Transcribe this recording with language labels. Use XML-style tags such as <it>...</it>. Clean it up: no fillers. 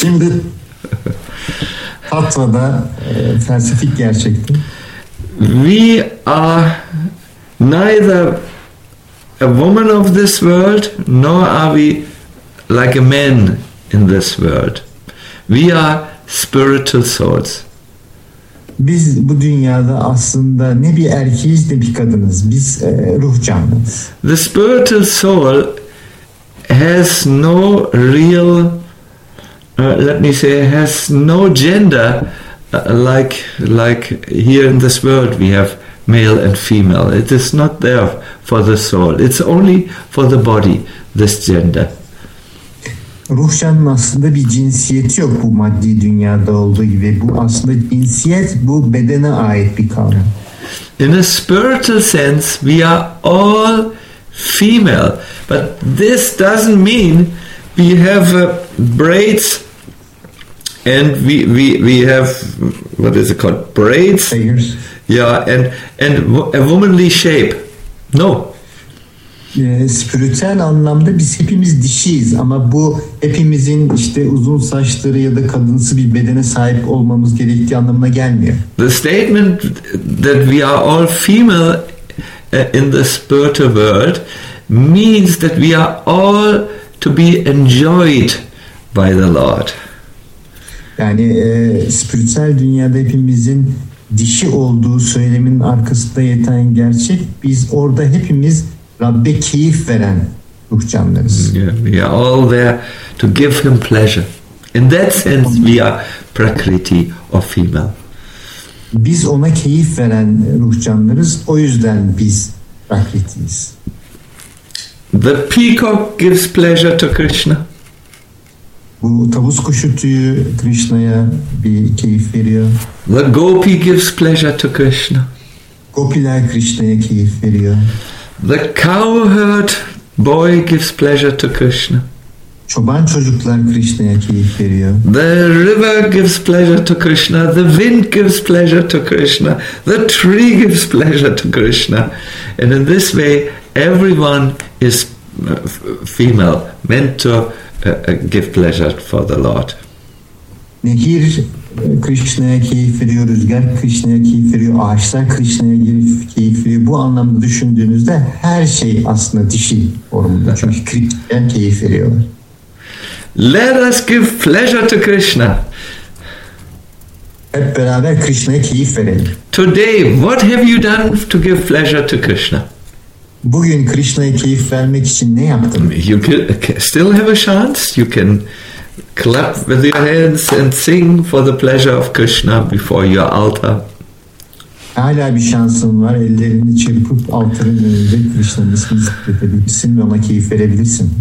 <tr>Şimdi Tattva'da felsefik gerçekten.</tr> <en>We are neither a woman of this world, nor are we like a man in this world. We are spiritual souls.</en> <tr>Biz bu dünyada aslında ne bir erkeğiz ne bir kadınız. Biz ruh canlıyız.</tr> <en>The spiritual soul has no real, let me say, has no gender like here in this world we have male and female. It is not there for the soul. It's only for the body, this gender.</en> <tr>Ruhşan'ın aslında bir cinsiyeti yok bu maddi dünyada olduğu gibi. Bu aslında cinsiyet, bu bedene ait bir kavram.</tr> <en>In a spiritual sense, we are all female. But this doesn't mean we have braids and we have, what is it called, braids? Fingers. Yeah, and a womanly shape. No.</en> <tr>Spiritüel anlamda biz hepimiz dişiyiz ama bu hepimizin işte uzun saçları ya da kadınsı bir bedene sahip olmamız gerektiği anlamına gelmiyor.</tr> <en>The statement that we are all female in the spiritual world means that we are all to be enjoyed by the Lord.</en> <tr>Yani spiritüel dünyada hepimizin dişi olduğu söyleminin arkasında yatan gerçek, biz orada hepimiz Rabbe keyif veren ruh canlarız.</tr> <en>Yeah, we are all there to give him pleasure. In that sense we are prakriti or female.</en> <tr>Biz ona keyif veren ruh canlarız. O yüzden biz prakritiyiz.</tr> <en>The peacock gives pleasure to Krishna.</en> <tr>Bu tavus kuşu tüyü Krishna'ya bir keyif veriyor.</tr> <en>The gopi gives pleasure to Krishna.</en> <tr>Gopiler Krishna'ya keyif veriyor.</tr> <en>The cowherd boy gives pleasure to Krishna.</en> <tr>Çoban çocuklar Krishna'ya keyif veriyor.</tr> <en>The river gives pleasure to Krishna. The wind gives pleasure to Krishna. The tree gives pleasure to Krishna. And in this way, everyone is female, meant to give pleasure for the Lord.</en> <tr>Nehir Krishna'ya keyif veriyor, rüzgar Krishna'ya keyif veriyor, ağaçlar Krishna'ya keyif veriyor. Bu anlamda düşündüğünüzde her şey aslında dişi formunda. Çünkü Krishna'ya keyif veriyorlar.</tr> <en>Let us give pleasure to Krishna.</en> <tr>Hep beraber Krishna'ya keyif verelim.</tr> <en>Today, what have you done to give pleasure to Krishna?</en> <tr>Bugün Krishna'ya keyif vermek için ne yaptın?</tr> <en>You still have a chance. You can clap with your hands and sing for the pleasure of Krishna before your altar.</en> <tr>Hala bir şansın var. Ellerini çırpıp altarın önünde Krishna'nın ismini zikredebilirsin ve ona keyif verebilirsin.</tr>